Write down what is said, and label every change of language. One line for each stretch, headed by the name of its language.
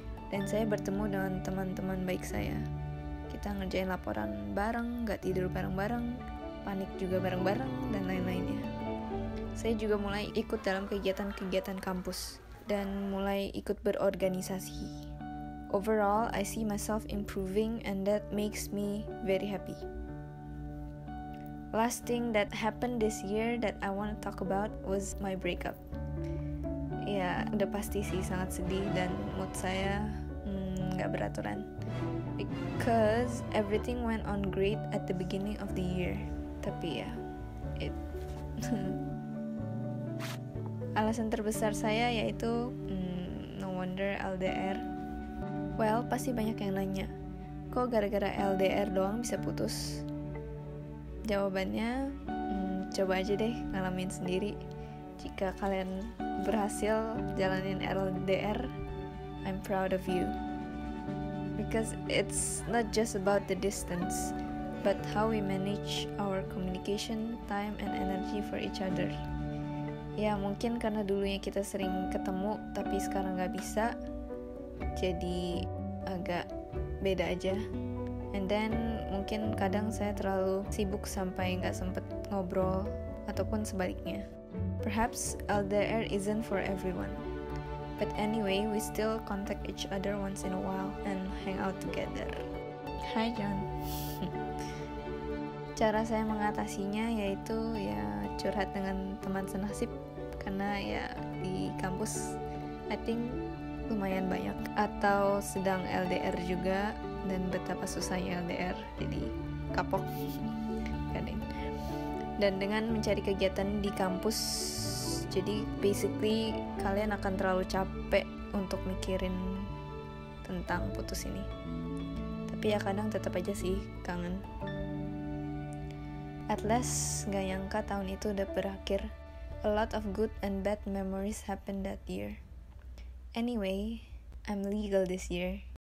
Indonesian: Dan saya bertemu dengan teman-teman baik saya. Kita ngerjain laporan bareng, gak tidur bareng-bareng, panik juga bareng-bareng, dan lain-lainnya. Saya juga mulai ikut dalam kegiatan-kegiatan kampus, dan mulai ikut berorganisasi.
English: Overall, I see myself improving and that makes me very happy. Last thing that happened this year that I want to talk about was my breakup.
Indonesian: Ya, udah pasti sih sangat sedih dan mood saya gak beraturan.
English: Because everything went on great at the beginning of the year.
Indonesian: Tapi ya, it alasan terbesar saya yaitu
English: no wonder
Indonesian: LDR. Well, pasti banyak yang nanya, kok gara-gara LDR doang bisa putus? Jawabannya, coba aja deh ngalamin sendiri. Jika kalian berhasil jalanin LDR,
English: I'm proud of you. Because it's not just about the distance, but how we manage our communication, time, and energy for each other.
Indonesian: Ya, mungkin karena dulunya kita sering ketemu, tapi sekarang gak bisa, jadi agak beda aja.
English: And then,
Indonesian: mungkin kadang saya terlalu sibuk sampai gak sempet ngobrol, ataupun sebaliknya.
English: Perhaps LDR isn't for everyone. But anyway, we still contact each other once in a while and hang out together. Hi, John.
Indonesian: Cara saya mengatasinya yaitu ya curhat dengan teman senasib. Karena ya di kampus,
English: I think
Indonesian: lumayan banyak. Atau sedang LDR juga, dan betapa susahnya LDR. Jadi kapok. Dan dengan mencari kegiatan di kampus, jadi basically kalian akan terlalu capek untuk mikirin tentang putus ini. Tapi ya kadang tetap aja sih kangen.
English: At least
Indonesian: gak nyangka tahun itu udah berakhir.
English: A lot of good and bad memories happened that year. Anyway, I'm legal this year.